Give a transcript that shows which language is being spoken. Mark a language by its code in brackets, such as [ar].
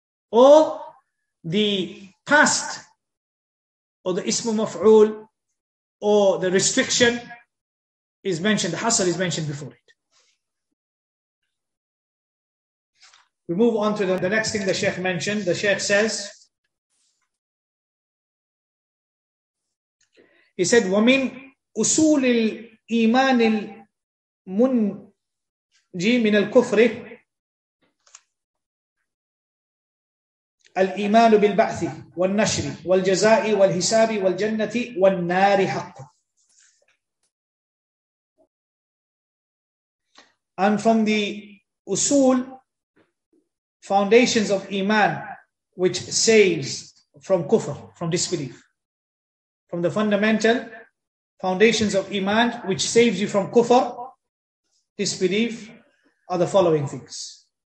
[en] Or the past or the ismu maf'ul, or the restriction is mentioned, the hasal is mentioned before it. We move on to the next thing the Shaykh mentioned. The Shaykh says, he said, [ar] وَمِنْ أُسُولِ الْإِيمَانِ الْمُنْجِي مِنَ الْكُفْرِ الإيمان بالبعث والنشر والجزاء والحساب والجنة والنار حق. [en] And from the usul, foundations of iman, which saves from kufr, from disbelief. From the fundamental foundations of iman, which saves you from kufr, disbelief, are the following things.